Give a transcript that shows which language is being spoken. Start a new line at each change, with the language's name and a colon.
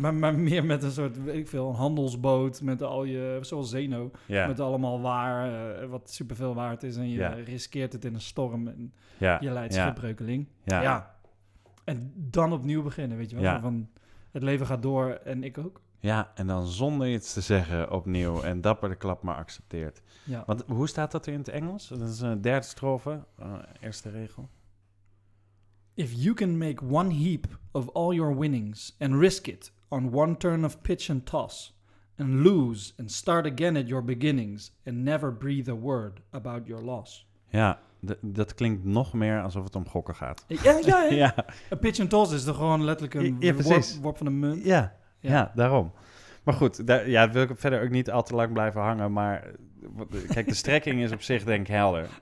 Dutch: maar meer met een soort, weet ik veel, een handelsboot met al je, zoals Zeno, met allemaal waar, wat superveel waard is en je riskeert het in een storm en je leidt schipbreukeling. Ja. Ja. En dan opnieuw beginnen, weet je wel. Ja. Van, het leven gaat door en ik ook. Ja, en dan zonder iets te zeggen opnieuw en dapper de klap maar accepteert. Ja. Want hoe staat dat er in het Engels? Dat is een derde strofe, eerste regel.
English: If you can make one heap of all your winnings and risk it on one turn of pitch and toss and lose and start again at your beginnings and never breathe a word about your loss.
Dutch: Ja, dat klinkt nog meer alsof het om gokken gaat. Ja. Een pitch and toss is toch gewoon letterlijk een worp van een munt? Ja. Ja, daarom. Maar goed, daar wil ik verder ook niet al te lang blijven hangen. Maar kijk, de strekking is op zich denk ik helder.